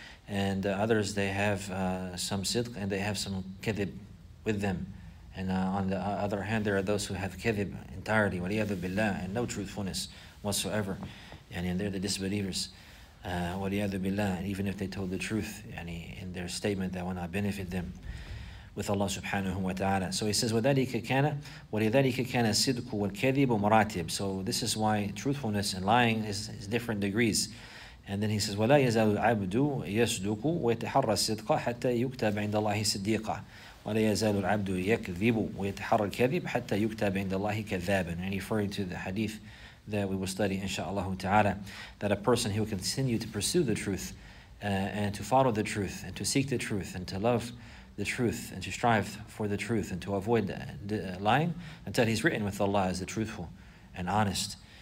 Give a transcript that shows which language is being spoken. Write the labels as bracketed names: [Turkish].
[English] And others, they have some sidq and they have some kadhib with them. And on the other hand, there are those who have kadhib entirely, waliyadu billah, and no truthfulness whatsoever. And they're the disbelievers, waliyadu billah, and even if they told the truth in their statement, that will not benefit them with Allah subhanahu wa ta'ala. So he says, [Arabic] وَلِذَلِكَ كَانَ الصِّدْقُ وَالْكَذِبُ مُرَاتِبُ. [English] So this is why truthfulness and lying is different degrees. And then he says, [Arabic] وَلَا يَزَالُ الْعَبْدُ يَصْدُقُ وَيَتَحَرَّ الصِّدْقَ حَتَّى يُكْتَبَ عِنْدَ اللَّهِ صِدِّيقًا. وَلَا يَزَالُ الْعَبْدُ يَكْذِبُ وَيَتَحَرَّ الْكَذِبُ حَتَّى يُكْتَبَ عِنْدَ اللَّهِ كَذَّابًا. [English] And referring to the hadith that we will study, insha'Allah ta'ala, that a person who will continue to pursue the truth and to follow the truth and to seek the truth and to love the truth and to strive for the truth and to avoid lying until he's written with Allah as the truthful and honest.